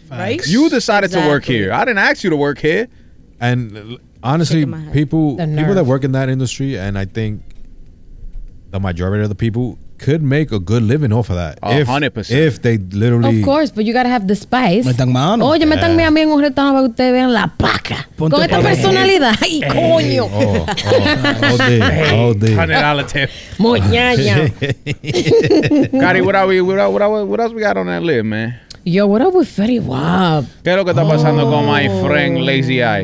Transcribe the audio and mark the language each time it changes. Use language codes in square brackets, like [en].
[en] Right? You decided to work here. I didn't ask you to work here. And honestly, people that work in that industry, and I think the majority of the people could make a good living off of that. 100%. If they literally... Of course, but you got to have the spice. [es] Me están mano. Oye, me están mirando en un restaurante para que ustedes vean la paca. Ponte con esta personalidad. Ay, coño. [en] $100 tip. Moñaña. Cari, what else we got on that list, man? Yo, what up with Fetty Wap? [es] ¿Qué es lo que está pasando con [en] my friend [es] Lazy Eye?